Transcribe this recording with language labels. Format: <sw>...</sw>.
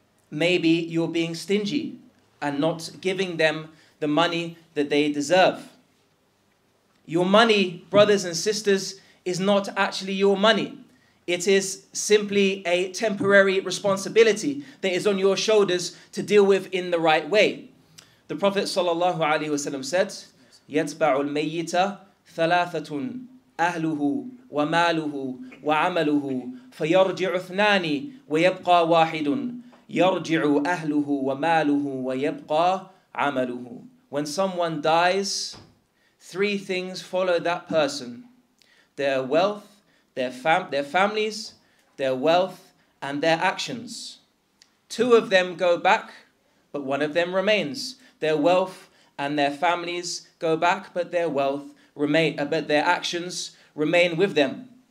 <en>Maybe you're being stingy and not giving them the money that they deserve. Your money, brothers and sisters, is not actually your money. It is simply a temporary responsibility that is on your shoulders to deal with in the right way. The Prophet sallallahu alaihi wasallam said,</en> <ar>يَتْبَعُ الْمَيِّتَ ثَلَاثَةٌ أَهْلُهُ وَمَالُهُ وَعَمَلُهُ فَيَرْجِعُ اثْنَانِ وَيَبْقَى وَاحِدٌ يَرْجِعُ أَهْلُهُ وَمَالُهُ وَيَبْقَى عَمَلُهُ.</ar> <en>When someone dies, three things follow that person: their wealth, their families, their wealth, and their actions. Two of them go back, but one of them remains. Their wealth and their families go back, but their wealth remain, but their actions remain with them.</en>